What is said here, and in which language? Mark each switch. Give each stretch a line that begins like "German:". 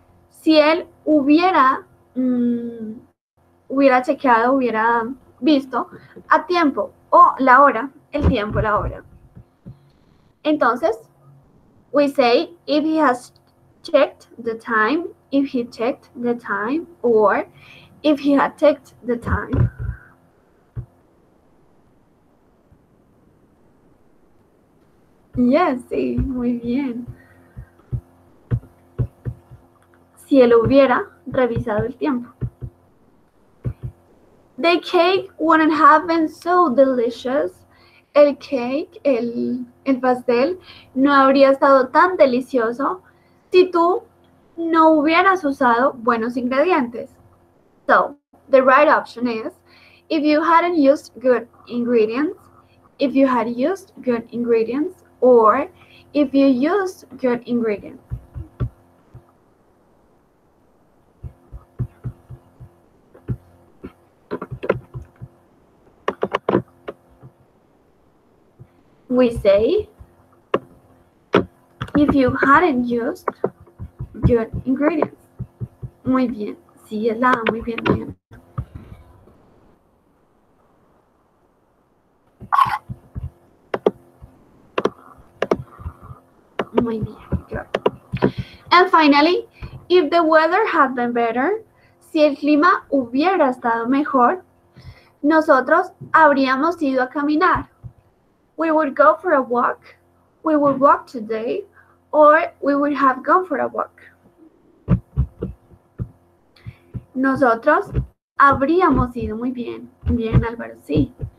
Spanish: Si él hubiera chequeado, hubiera visto a tiempo la hora, el tiempo, la hora.
English: Entonces, we say if he has checked the time, if he checked the time, or if he had checked the time.
Spanish: Yes, sí, muy bien. Si él hubiera revisado el tiempo.
English: The cake wouldn't have been so delicious.
Spanish: El cake, el pastel, no habría estado tan delicioso si tú no hubieras usado buenos ingredientes.
English: So, the right option is, if you hadn't used good ingredients, if you had used good ingredients, or if you used good ingredients. We say, if you hadn't used good ingredients.
Spanish: Muy bien, sí, es la, muy bien, bien. Muy bien, claro.
English: And finally, if the weather had been better,
Spanish: si el clima hubiera estado mejor, nosotros habríamos ido a caminar.
English: We would go for a walk, we would walk today, or we would have gone for a walk.
Spanish: Nosotros habríamos ido muy bien, bien Álvaro, sí.